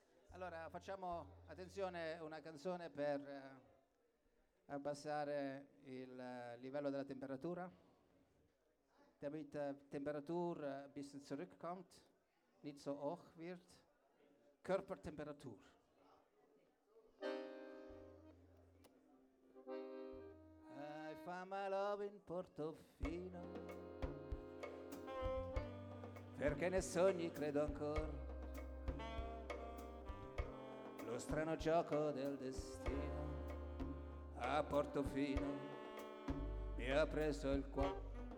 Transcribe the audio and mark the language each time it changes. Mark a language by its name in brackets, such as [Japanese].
[Italian] Allora, facciamo attenzione, una canzone per abbassare il livello della temperatura. [German] Damit Temperatur ein bisschen zurückkommt, nicht so hoch wird, Körpertemperatur. [English] I found my love in Portofino, [Italian] perché nei sogni credo ancora, lo strano gioco del destino, a Portofino mi ha preso il cuore.